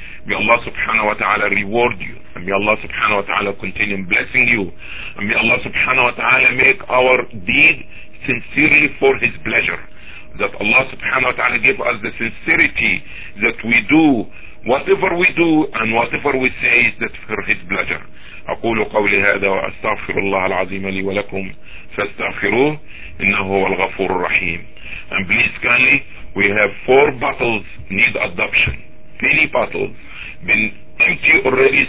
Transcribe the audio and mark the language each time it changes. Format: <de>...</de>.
<en>May Allah subhanahu wa ta'ala reward you. And may Allah subhanahu wa ta'ala continue blessing you. And may Allah subhanahu wa ta'ala make our deed sincerely for His pleasure. That Allah subhanahu wa ta'ala give us the sincerity that we do whatever we do and whatever we say is that for His pleasure.</en> <ar>أقول قولي هذا وأستغفر الله العظيم لي ولكم فاستغفروه إنه هو الغفور الرحيم.</ar> <en>And please kindly, we have 4 bottles need adoption. Many bottles been empty already.</en>